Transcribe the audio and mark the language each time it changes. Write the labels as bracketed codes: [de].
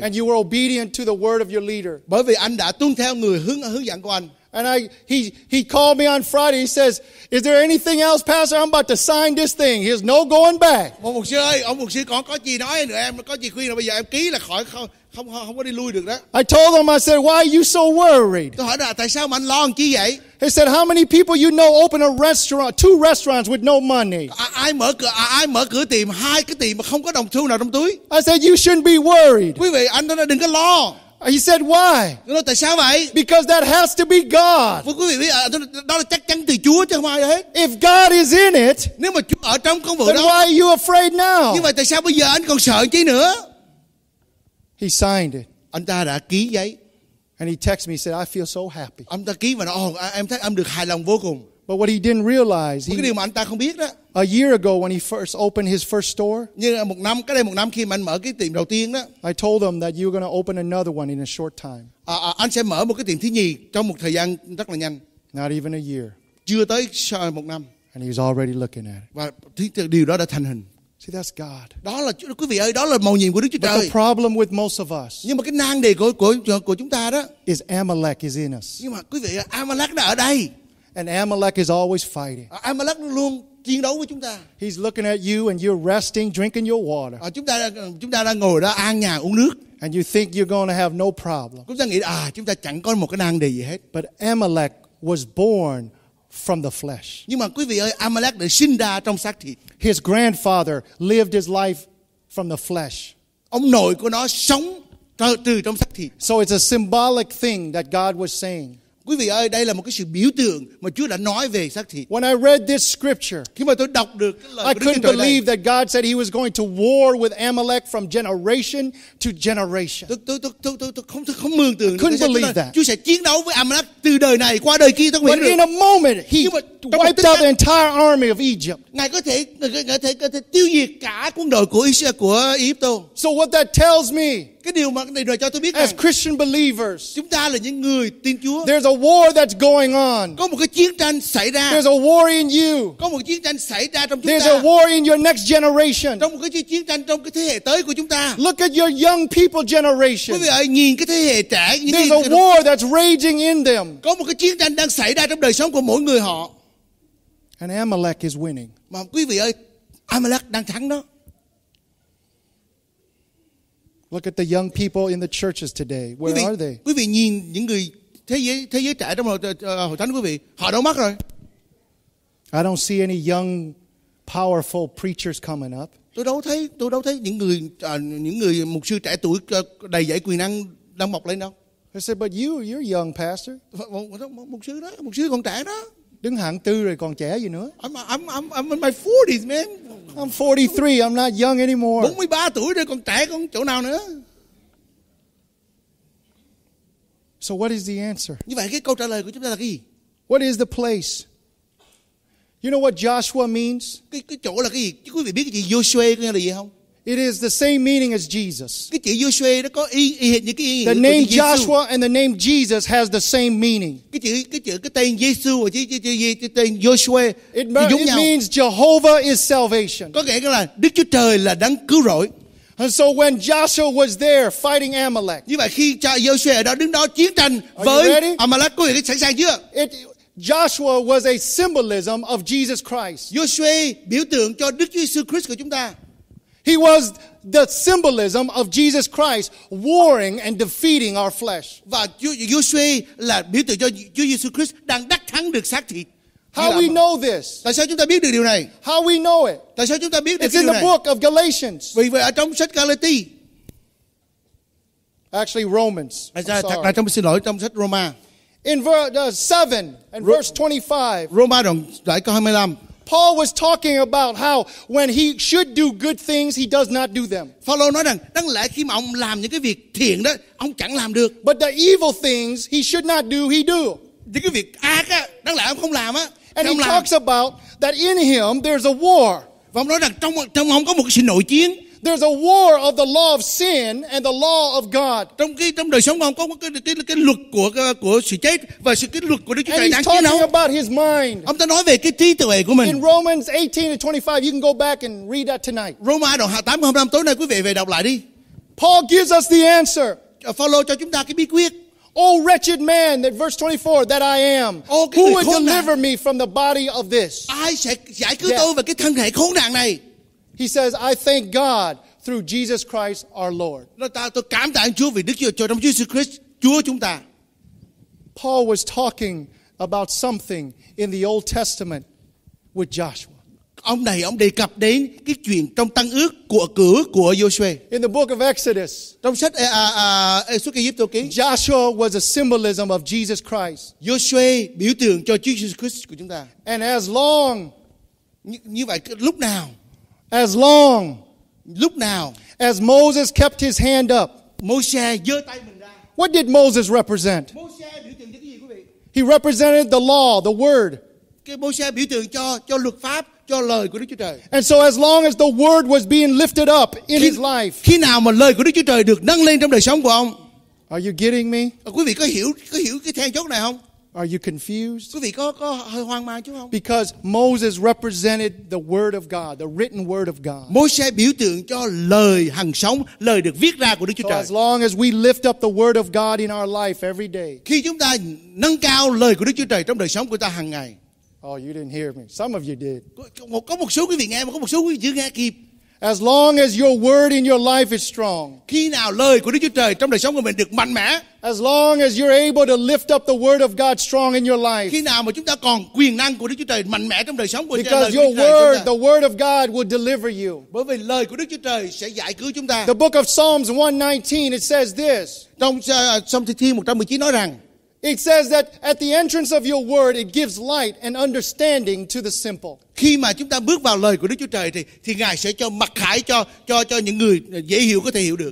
[en] And you were obedient to the word of your leader. [vi] Bởi vì anh đã tuân theo người hướng dẫn của anh. [en] And he called me on Friday. He says, "Is there anything else, Pastor? I'm about to sign this thing. Here's no going back." [vi] Ông mục sư ơi, ông mục sư có gì nói nữa em? Có gì khuyên nữa? Bây giờ em ký là khỏi không có đi lui được đó. [en] I told him, I said, "Why are you so worried?" [vi] Tôi hỏi là tại sao mà anh lo anh chi vậy? [en] He said, "How many people you know open a restaurant, two restaurants with no money?" [vi] Ai mở cửa tiệm hai cái tiệm mà không có đồng xu nào trong túi? [en] I said, "You shouldn't be worried." [vi] Quý vị, anh nói đừng có lo. [en] He said, "Why?" [vi] Nói, tại sao vậy? [en] Because that has to be God. [vi] Quý vị biết, đó là chắc chắn từ Chúa chứ không ai hết. [en] If God is in it, [vi] nếu mà Chúa ở trong công vụ [en] đó, why are you afraid now? [vi] Nhưng mà tại sao bây giờ anh còn sợ chi nữa? [en] He signed it. [vi] Anh ta đã ký giấy. [en] And he texted me, said, "I feel so happy." [vi] Anh ta ký và nói, em được hài lòng vô cùng. [en] But what he didn't realize, [vi] cái điều mà anh ta không biết đó. [en] A year ago, when he first opened his first store, [vi] như một năm cách đây một năm khi mà anh mở cái tiệm đầu tiên đó, [en] I told him that you're going to open another one in a short time. [vi] Anh sẽ mở một cái tiệm thứ nhì trong một thời gian rất là nhanh. [en] Not even a year. [vi] Chưa tới một năm. [en] And he's already looking at it. [vi] Và điều đó đã thành hình. [en] See, that's God. [vi] Đó là quý vị ơi, đó là màu nhiệm của Đức Chúa Trời. [en] But the problem with most of us, [vi] nhưng mà cái nan đề của chúng ta đó, [en] is Amalek is in us. [vi] Nhưng mà quý vị, Amalek đã ở đây. [en] And Amalek is always fighting. [vi] Amalek luôn chiến đấu với chúng ta. [en] He's looking at you and you're resting, drinking your water. [vi] Chúng ta đang ngồi đó an nhàn uống nước. [en] And you think you're going to have no problem. [vi] Chúng ta nghĩ chúng ta chẳng có một cái nan đề gì hết. [en] But Amalek was born from the flesh. [vi] Nhưng mà quý vị ơi, Amalek được sinh ra trong xác thịt. [en] His grandfather lived his life from the flesh. [vi] Ông nội của nó sống từ trong xác thịt. [en] So it's a symbolic thing that God was saying. [vi] Quý vị ơi, đây là một cái sự biểu tượng mà Chúa đã nói về xác thịt. [en] When I read this scripture, [vi] khi mà tôi đọc được cái lời [en] I couldn't believe that God said he was going to war with Amalek from generation to generation. [vi] Tôi không mường tượng. [en] I couldn't believe that. [vi] Chúa sẽ chiến đấu với Amalek từ đời này qua đời kia. Tôi [en] But in a moment, he wiped out the entire army of Egypt. [vi] Ngài có thể tiêu diệt cả quân đội của Egypt. [en] So what that tells me, [vi] cái điều mà này cho tôi biết [en] as Christian believers, [vi] chúng ta là những người tin Chúa, [en] there's a war that's going on. [vi] Có một cái chiến tranh xảy ra. [en] There's a war in you. [vi] Có một chiến tranh xảy ra trong chúng [en] there's [vi] ta. [en] There's a war in your next generation. [vi] Trong một cái chiến tranh trong cái thế hệ tới của chúng ta. [en] Look at your young people generation. [vi] Quý vị ơi, nhìn cái thế hệ trẻ. [en] There's a war that's raging in them. [vi] Có một cái chiến tranh đang xảy ra trong đời sống của mỗi người họ. [en] And Amalek is winning. [vi] Mà quý vị ơi, Amalek đang thắng đó. [en] Look at the young people in the churches today. Where [vi] quý vị, [en] are they? [vi] Quý vị nhìn những người thế giới trẻ trong hội thánh quý vị, họ đâu mất rồi? [en] I don't see any young, powerful preachers coming up. [vi] Tôi đâu thấy những người mục sư trẻ tuổi đầy dãy quyền năng đang mọc lên đâu. [en] I said, but you're a young pastor. [vi] Mục sư còn trẻ đó. Đứng hạng tư rồi còn trẻ gì nữa. [en] I'm in my 40s, man. I'm 43, I'm not young anymore. [vi] 43 tuổi rồi còn trẻ còn chỗ nào nữa. [en] So what is the answer? [vi] Như vậy cái câu trả lời của chúng ta là cái gì? [en] What is the place? You know what Joshua means? [vi] Cái chỗ là cái gì? Quý vị biết cái chữ Joshua có nghĩa là gì không? [en] It is the same meaning as Jesus. [vi] Cái chữ Joshua nó có y hệt như cái ý. [en] The name Joshua and the name Jesus has the same meaning. [vi] Cái tên Jesus và cái tên Joshua giống nhau. [en] It means Jehovah is salvation. [vi] Có nghĩa là Đức Chúa Trời là đấng cứu rỗi. [en] And so when Joshua was there fighting Amalek. [vi] Như vậy khi Joshua đó đứng đó chiến tranh với Amalek, quý vị sẵn sàng chưa? [en] Joshua was a symbolism of Jesus Christ. [vi] Joshua biểu tượng cho Đức Chúa Jesus Christ của chúng ta. [en] He was the symbolism of Jesus Christ warring and defeating our flesh. [vi] Và Joshua là biểu tượng cho Chúa Jesus Christ đang đắc thắng được xác thịt. [en] How we know this? [vi] Tại sao chúng ta biết được điều này? [en] How we know it? [vi] Tại sao chúng ta biết được [en] it's [vi] điều [en] in the [vi] này? [en] Book of Galatians. [vi] Vì ở trong sách Galati. [en] Actually Romans. [vi] Trong sách Roma. [en] In verse 7 and verse 25. [vi] Roma đoạn 25. [en] Paul was talking about how when he should do good things, he does not do them. [vi] Paulo nói rằng đáng lẽ khi mà ông làm những cái việc thiện đó, ông chẳng làm được. [en] But the evil things he should not do, he do. [vi] Những cái việc ác á, đáng lẽ ông không làm á. [en] And he [vi] làm. [en] Talks about that in him there's a war. [vi] Và ông nói rằng trong ông có một sự nội chiến. [en] There's a war of the law of sin and the law of God. [vi] Trong đời sống ông có cái luật của sự chết và sự cái luật của Đức Chúa Trời đáng chiến đấu. [en] And he's talking about his mind. [vi] Ông ta nói về cái trí tuệ của mình. [en] In Romans 18:25, you can go back and read that tonight. [vi] Roma đoạn 8:25 tối nay quý vị về đọc lại đi. [en] Paul gives us the answer. [vi] Follow cho chúng ta cái bí quyết. [en] Oh wretched man, that verse 24, that I am. Oh, who would deliver me from the body of this? [vi] Ai sẽ giải cứu tôi về cái thân thể khốn nạn này? [en] He says, I thank God through Jesus Christ our Lord. [vi] Tôi cảm tạ Chúa vì Đức Chúa Trời trong Jesus Christ, Chúa chúng ta. [en] Paul was talking about something in the Old Testament with Joshua. [vi] Ông này ông đề cập đến cái chuyện trong tăng ước của cửa của Joshua. [en] In the book of Exodus, [vi] trong sách Xuất Ai Cập ký, [en] Joshua was a symbolism of Jesus Christ. [vi] Joshua biểu tượng cho Jesus Christ của chúng ta. [en] And as long, [vi] như vậy lúc nào, [en] as long, [vi] lúc nào, [en] as Moses kept his hand up, [vi] Moshe giơ tay mình ra. [en] What did Moses represent? [vi] Moshe biểu tượng cái gì quý vị? [en] He represented the law, the word. [vi] Cái Moshe biểu tượng cho luật pháp. [en] And so as long as the word was being lifted up in his life. [vi] Khi nào mà lời của Đức Chúa Trời được nâng lên trong đời sống của ông? [en] Are you getting me? [vi] Quý vị có hiểu cái then chốt này không? [en] Are you confused? [vi] Quý vị có hơi hoang mang chút không? [en] Because Moses represented the word of God, the written word of God. [vi] Môi-se biểu tượng cho lời hằng sống, lời được viết ra của Đức Chúa Trời. [en] As long as we lift up the word of God in our life every day. [vi] Khi chúng ta nâng cao lời của Đức Chúa Trời trong đời sống của ta hàng ngày. [en] Oh, you didn't hear me. Some of you did. [vi] Có một số quý vị nghe, mà có một số quý vị chưa nghe kịp. [en] As long as your word in your life is strong. [vi] Khi nào lời của Đức Chúa Trời trong đời sống của mình được mạnh mẽ. [en] As long as you're able to lift up the word of God strong in your life. [vi] Khi nào mà chúng ta còn quyền năng của Đức Chúa Trời mạnh mẽ trong đời sống của chúng ta. [en] Because your word, the word of God will deliver you. [vi] Bởi vì lời của Đức Chúa Trời sẽ giải cứu chúng ta. [en] The book of Psalms 119, it says this. [vi] Trong Psalm 119 nói rằng. [en] It says that at the entrance of your word, it gives light and understanding to the simple. [vi] Khi mà chúng ta bước vào lời của Đức Chúa Trời thì Ngài sẽ cho mặc khải cho những người dễ hiểu có thể hiểu được.